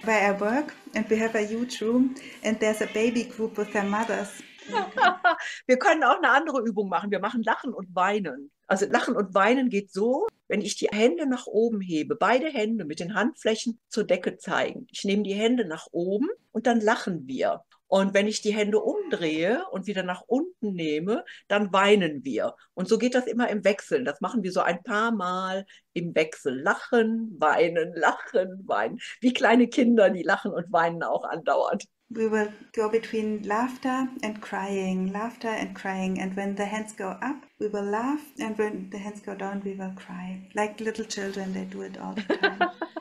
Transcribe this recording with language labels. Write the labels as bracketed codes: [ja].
[en] Where I work and we have a huge room and there's a baby group with their mothers. [de] Wir können auch eine andere Übung machen. Wir machen Lachen und Weinen. Also Lachen und Weinen geht so, wenn ich die Hände nach oben hebe, beide Hände mit den Handflächen zur Decke zeigen. Ich nehme die Hände nach oben und dann lachen wir. Und wenn ich die Hände umdrehe und wieder nach unten nehme, dann weinen wir. Und so geht das immer im Wechsel. Das machen wir so ein paar Mal im Wechsel. Lachen, weinen, lachen, weinen. Wie kleine Kinder, die lachen und weinen auch andauernd. [en] We will go between laughter and crying, laughter and crying. And when the hands go up, we will laugh. And when the hands go down, we will cry. Like little children, they do it all the time.